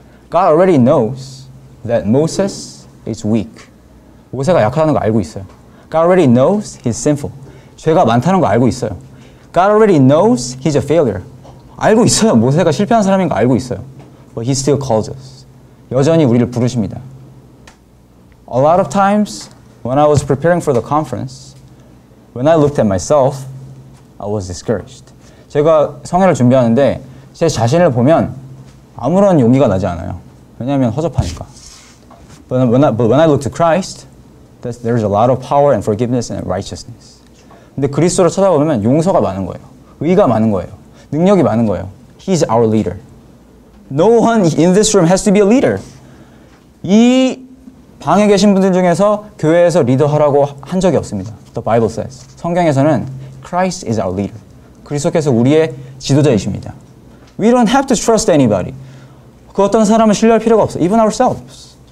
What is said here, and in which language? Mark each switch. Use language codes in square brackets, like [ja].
[en] God already knows that Moses is weak. [ko] 모세가 약하다는 걸 알고 있어요. [en] God already knows he's sinful. [ko] 죄가 많다는 거 알고 있어요. [en] God already knows he's a failure. [ko] 알고 있어요. 모세가 실패한 사람인 거 알고 있어요. [en] But he still calls us. [ko] 여전히 우리를 부르십니다. [en] A lot of times when I was preparing for the conference, when I looked at myself, I was discouraged. [ko] 제가 성회를 준비하는데 제 자신을 보면 아무런 용기가 나지 않아요. 왜냐하면 허접하니까. [en] But when I look to Christ, there is a lot of power and forgiveness and righteousness. [ko] 근데 그리스도를 찾아보면 용서가 많은 거예요. 의가 많은 거예요. 능력이 많은 거예요. [en] He is our leader. No one in this room has to be a leader. [ko] 이 방에 계신 분들 중에서 교회에서 리더하라고 한 적이 없습니다. [en] The Bible says. [ko] 성경에서는 [en] Christ is our leader. [ko] 그리스도께서 우리의 지도자이십니다. [en] We don't have to trust anybody. [ko] 그 어떤 사람을 신뢰할 필요가 없어요. [en] Even ourselves.